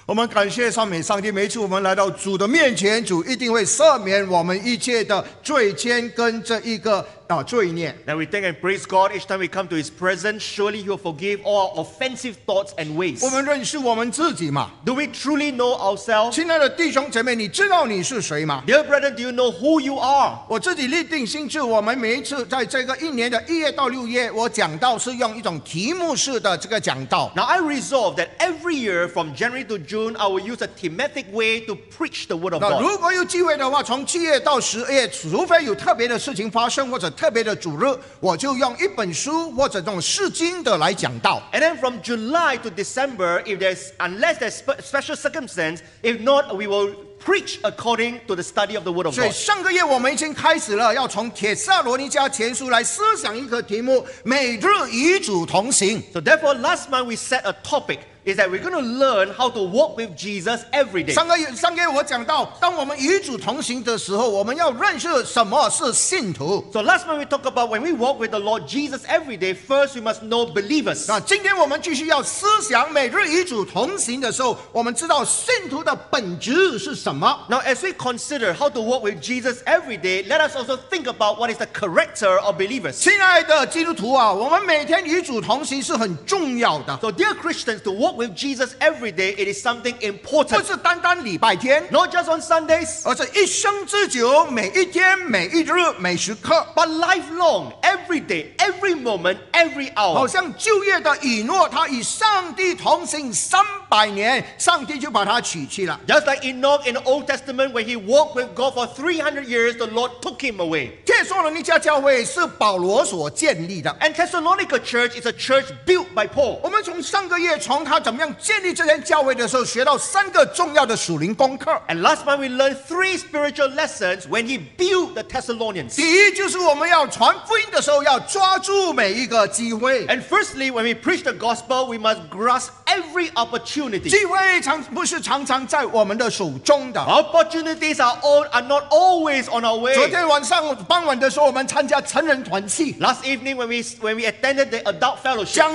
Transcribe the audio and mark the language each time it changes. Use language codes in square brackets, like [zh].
[zh] 我们感谢上美上帝，每次我们来到主的面前，主一定会赦免我们一切的罪愆跟这一个罪孽。 [en] Now we thank and praise God each time we come to His presence. Surely He will forgive all our offensive thoughts and ways. [zh] 我们认识我们自己吗 [en] ？Do we truly know ourselves? [zh] 亲爱的弟兄姐妹，你知道你是谁吗 [en] ？Dear brother, do you know who you are? [zh] 我自己立定心智，我们每一次在这个一年的一月到六月，我讲道是用一种题目式的这个讲道。 [en] Now I resolve that every year from January to June, I will use a thematic way to preach the word of God. [zh] 那如果有机会的话，从七月到十月，除非有特别的事情发生或者特别的主日，我就用一本书或者这种释经的来讲道。 [en] And then from July to December, unless there's special circumstance, if not, we will preach according to the study of the word of God. [zh] 所以上个月我们已经开始了，要从帖撒罗尼迦前书来思想一个题目：每日与主同行。 [en] So therefore, last month we set a topic. Is that we're going to learn how to walk with Jesus every day. [zh] 上个月我讲到，当我们与主同行的时候，我们要认识什么是信徒。 [en] So last month we talked about when we walk with the Lord Jesus every day, first we must know believers. [zh] 那今天我们继续要思想每日与主同行的时候，我们知道信徒的本质是什么。 [en] Now as we consider how to walk with Jesus every day, let us also think about what is the character of believers. [zh] 亲爱的基督徒啊，我们每天与主同行是很重要的。 [en] So dear Christians, to walk with Jesus every day, it is something important. [zh] 不是单单礼拜天 [en] ，not just on Sundays， [zh] 而是一生之久，每一天、每一日、每时刻 [en] ，but lifelong， every day， every moment， every hour。 [zh] 好像旧约的以诺，他与上帝同行300年，上帝就把他娶去了。 [en] Just like Enoch in the Old Testament, when he walked with God for 300 years, the Lord took him away. [zh] 帖撒罗尼迦教会是保罗所建立的 [en] ，and Thessalonica Church is a church built by Paul. [zh] 我们从上个月从他怎么样建立这间教会的时候，学到三个重要的属灵功课。 [en] And last month we learned three spiritual lessons when he built the Thessalonians. [zh] 第一就是我们要传福音的时候要抓住每一个机会。 [en] And firstly, when we preach the gospel, we must grasp every opportunity. [zh] 机会不是常常在我们的手中的。 [en] Opportunities are not always on our way. [zh] 昨天晚上傍晚的时候，我们参加成人团契。 [en] Last evening when we attended the adult fellowship.